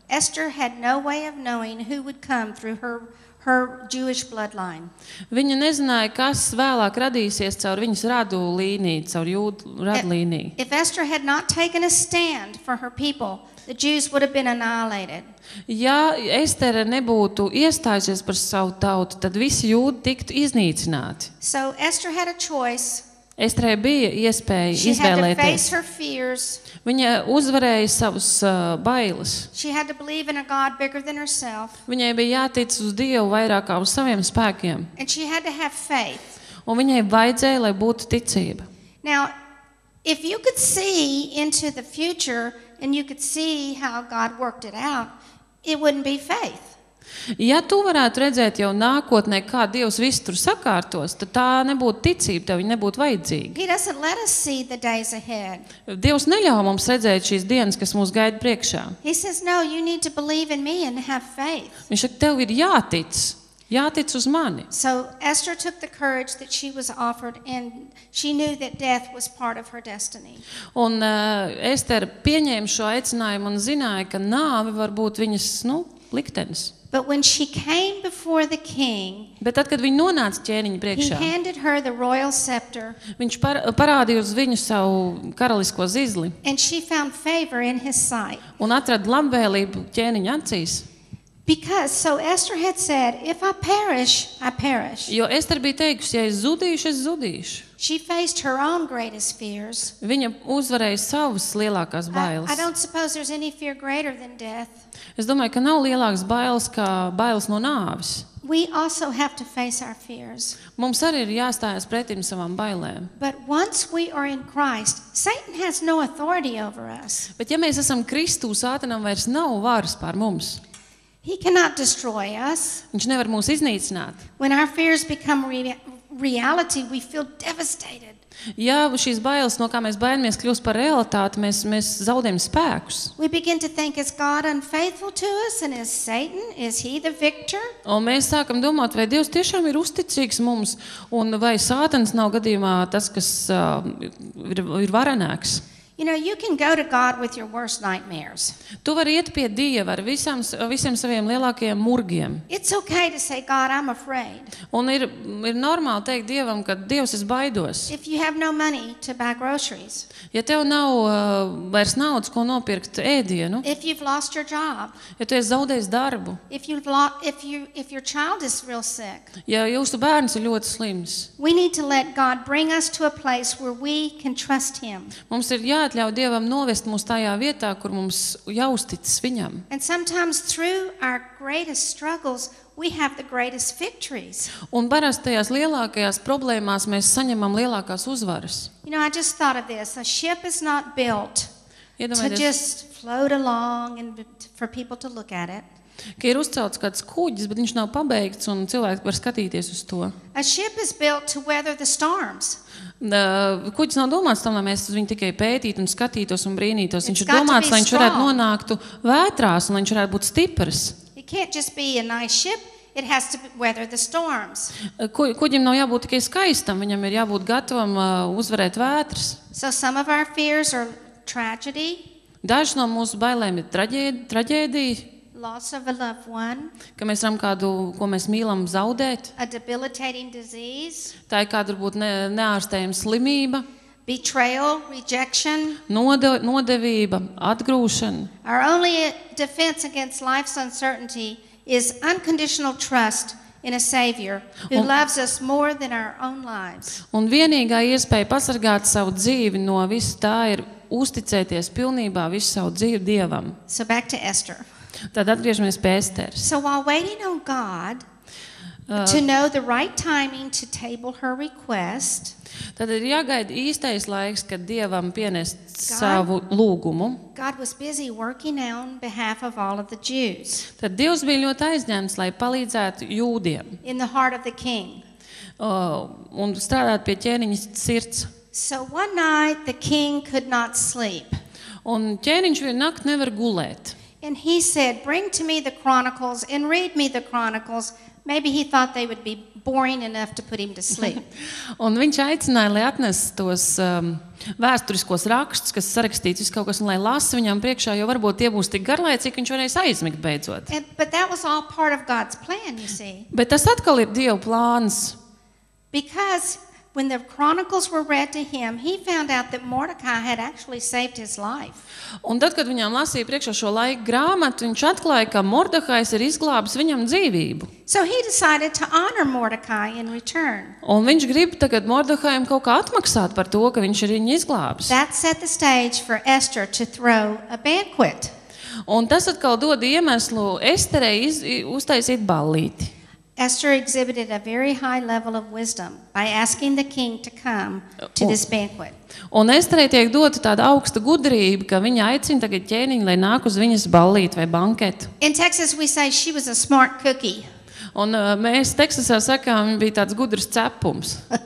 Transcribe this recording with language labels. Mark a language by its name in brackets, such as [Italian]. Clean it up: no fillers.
[English] Esther had no way of knowing who would come through her Jewish bloodline. [Latvian] Viņa nezināja, kas vēlāk radīsies caur viņas radu līniju, caur jūdu radu līniju. [English] If Esther had not taken a stand for her people, the Jews would have been annihilated. [Latvian] Ja Estere nebūtu iestājusies par savu tautu, tad visi jūdi tiktu iznīcināti. [English] So Esther had a choice. [Latvian] Estrei bija iespēja [English] she [Latvian] izvēlēties. [English] Had to face her fears. [Latvian] Viņa uzvarēja savus bailes. [English] She had to believe in a God bigger than herself. [Latvian] Viņai bija jātic uz Dievu vairāk kā uz saviem spēkiem. [English] And she had to have faith. [Latvian] Un viņai vajadzēja, lai būtu ticība. [English] Now, if you could see into the future and you could see how God worked it out, it wouldn't be faith. [Latvian] Ja tu varētu redzēt jau nākotnē, kā Dievs visu tur sakārtos, tad tā nebūtu ticība, tev viņa nebūtu vajadzīga. [English] He doesn't let us see the days ahead. [Latvian] Dievs neļauj mums redzēt šīs dienas, kas mūs gaida priekšā. [English] He says, no, you need to believe in me and have faith. [Latvian] Viņš saka, tev ir jātic. Jātic uz mani. [English] So Esther took the courage that she was offered and she knew that death was part of her destiny. [Latvian] Un Ester pieņēma šo aicinājumu un zināja, ka nāve var būt viņas, liktenis. [English] But when she came before the king, [Latvian] bet tad, kad viņa nonāca ķēniņa priekšā, [English] he handed her the royal scepter. [Latvian] Viņš parādīja uz viņu savu karalisko zizli. [English] And she found favor in his sight. [Latvian] Un atrada labvēlību ķēniņa acīs. [English] Because so Esther had said, if I perish, I perish. [Latvian] Jo Ester bija teikusi, ja es zudīšu, es zudīšu. [English] She faced her own greatest fears. [Latvian] Viņa uzvarēja savas lielākās bailes. [English] I don't suppose there's any fear greater than death. [Latvian] Es domāju, ka nav lielākas bailes kā bailes no nāves. [English] We also have to face our fears. [Latvian] Mums arī ir jāstājas pretim savām bailēm. [English] But once we are in Christ, Satan has no authority over us. [Latvian] Bet ja mēs esam Kristū, Sātanam vairs nav varas pār mums. [English] He cannot destroy us. [Latvian] Viņš nevar mūs iznīcināt. [English] When our fears become reality, we feel devastated. [Latvian] Ja šīs bailes, no kā mēs baidāmies, kļūst par realitāti, mēs zaudējam spēkus. [English] We begin to think, is God unfaithful to us and is Satan, is he the victor? [Latvian] Un mēs sākam domāt, vai Dievs tiešām ir uzticīgs mums, un vai Sātans nav gadījumā tas, kas ir varenāks? [English] You know, you can go to God with your worst nightmares. [Latvian] Tu vari iet pie Dieva ar visiem saviem lielākajiem murgiem. [English] It's okay to say, God, I'm afraid. [Latvian] Un ir normāli teikt Dievam, ka Dievs, es baidos. [English] If you have no money to buy groceries. [Latvian] Ja tev nav vairs naudas, ko nopirkt ēdienu. [English] If you've lost your job. [Latvian] Ja tu esi zaudējis darbu. [English] If your child is real sick. [Latvian] Ja jūsu bērns ir ļoti slims. [English] We need to let God bring us to a place where we can trust him. [Latvian] Mums ir jāatļauj Dievam novest mūs tajā vietā, kur mums jāuzticas viņam. [English] And sometimes through our greatest struggles we have the greatest victories. [Latvian] Un parasti tajās lielākajās problēmās mēs saņemam lielākās uzvaras. [English] You know, I just thought of this. A ship is not built to just float along and for people to look at it. [Latvian] Ka ir uzcelts kāds kuģis, bet viņš nav pabeigts un cilvēks var skatīties uz to. [English] A ship is built to weather the storms. [Latvian] Kuģis nav domāts tam, lai mēs uz viņu tikai pētītu un skatītos un brīnītos. Viņš ir domāts, lai viņš varētu nonāktu vētrās un lai viņš varētu būt stiprs. [English] It can't just be a nice ship, it has to weather the storms. [Latvian] Kuģim nav jābūt tikai skaistam, viņam ir jābūt gatavam uzvarēt vētras. [English] So some of our fears are tragedy. [Latvian] Dažs no mūsu bailēm ir traģēdija. [English] Loss of a loved one. [Latvian] Ka mēs varam kādu, ko mēs mīlam, zaudēt. [English] A debilitating disease. [Latvian] Tā ir kāda varbūt neārstējama slimība. [English] Betrayal, rejection. [Latvian] Nodevība, atgrūšana. [English] Our only defense against life's uncertainty is unconditional trust in a savior who loves us more than our own lives. [Latvian] Un vienīgā iespēja pasargāt savu dzīvi no visa tā ir uzticēties pilnībā visu savu dzīvi Dievam. [English] So back to Esther. [Latvian] Tad atgriežamies pie Esteras. [English] So while waiting on God to know the right timing to table her request. [Latvian] Tad ir jāgaida īstais laiks, kad Dievam pienest savu lūgumu. [English] God was busy working on behalf of all of the Jews. [Latvian] Tad Dievs bija ļoti aizņemts, lai palīdzētu jūdiem. [English] In the heart of the king. [Latvian] Un strādāt pie ķēniņa sirds. [English] So one night the king could not sleep. [Latvian] Un ķēniņš vienu nakti nevar gulēt. [English] And he said, bring to me the chronicles and read me the chronicles. Maybe he thought they would be boring enough to put him to sleep. [Latvian] Un viņš aicināja, lai atnes tos vēsturiskos rakstus, kas sarakstīts vis kaut kas, un lai lasa viņam priekšā, jo varbūt tie būs tik garlaicīgi, viņš varēs aizmigt beidzot. [English] But that was all part of God's plan, you see. [Latvian] Bet tas atkal ir Dieva plāns. [English] Because when the chronicles were read to him, he found out that Mordecai had actually saved his life. [Latvian] Un tad, kad viņam lasīja priekšā šo laika grāmatu, viņš atklāja, ka Mordehais ir izglābis viņam dzīvību. [English] So he decided to honor Mordecai in return. [Latvian] Un viņš grib tagad Mordehaim kaut kā atmaksāt par to, ka viņš ir viņu izglābis. [English] That set the stage for Esther to throw a banquet. [Latvian] Un tas atkal dod iemeslu Esterei uztaisīt ballīti. [English] Esther exhibited a very high level of wisdom by asking the king to come to this banquet. [Latvian] Un Esterei tiek dota tāda augsta gudrība, ka viņa aicina tagad ķēniņu, lai nāk uz viņas ballīti vai banketu. [English] In Texas we say she was a smart cookie. [Latvian] Un mēs Teksasā sakām, viņa bija tāds gudrs cepums.